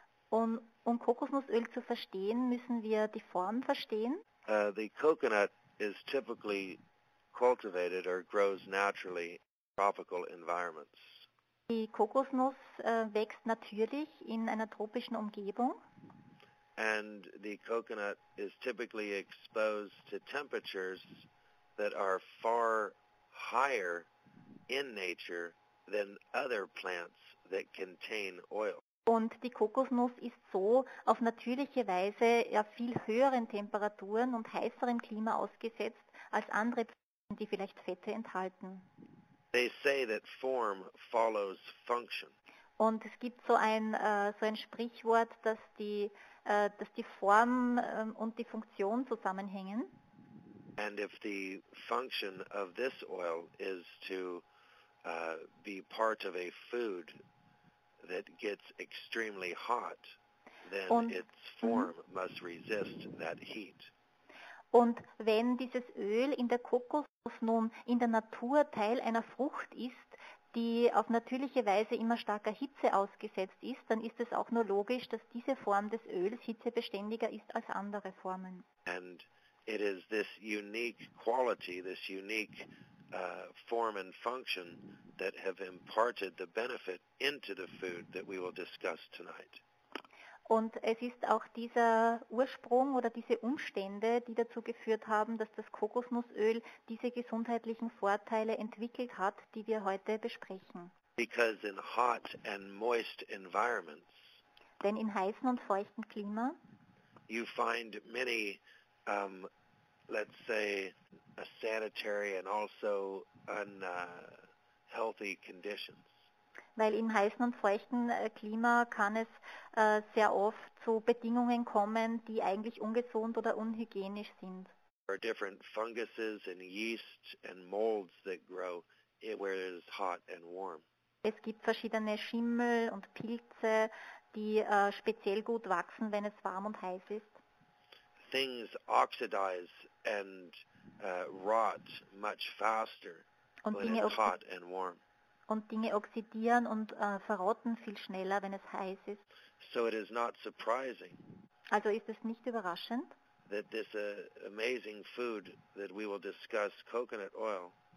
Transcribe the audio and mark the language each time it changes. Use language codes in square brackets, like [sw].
[de] Um Kokosnussöl zu verstehen, müssen wir die Form verstehen. [en] The coconut is typically cultivated or grows naturally in tropical environments. [de] Die Kokosnuss wächst natürlich in einer tropischen Umgebung. [en] And the coconut is typically exposed to temperatures that are far higher in nature than other plants that contain oil. [de] Und die Kokosnuss ist so auf natürliche Weise ja viel höheren Temperaturen und heißerem Klima ausgesetzt als andere Pflanzen, die vielleicht Fette enthalten. [en] They say that form follows function. [de] Und es gibt so ein Sprichwort, dass die Form und die Funktion zusammenhängen. [en] And if the function of this oil is to be part of a food that gets extremely hot, then [de] und, [en] its form must resist that heat. [de] Und wenn dieses Öl in der Kokosnuss nun in der Natur Teil einer Frucht ist, die auf natürliche Weise immer starker Hitze ausgesetzt ist, dann ist es auch nur logisch, dass diese Form des Öls hitzebeständiger ist als andere Formen. [en] And it is this unique quality, this unique form and function that have imparted the benefit into the food that we will discuss tonight. [de] Und es ist auch dieser Ursprung oder diese Umstände, die dazu geführt haben, dass das Kokosnussöl diese gesundheitlichen Vorteile entwickelt hat, die wir heute besprechen. [en] Because in hot and moist environments, [de] denn in heißen und feuchten Klima, [en] you find many, let's say, a sanitary and also unhealthy conditions. [de] Weil im heißen und feuchten Klima kann es sehr oft zu Bedingungen kommen, die eigentlich ungesund oder unhygienisch sind. [en] There are different funguses and yeast and molds that grow where it is hot and warm. [de] Es gibt verschiedene Schimmel und Pilze, die speziell gut wachsen, wenn es warm und heiß ist. [en] Things oxidize and rot much faster [de] und [en] when it's hot and warm. [de] Und Dinge oxidieren und verrotten viel schneller, wenn es heiß ist. [en] So it is not surprising, [de] also ist es nicht überraschend, [en] that this amazing food that we will discuss, coconut oil,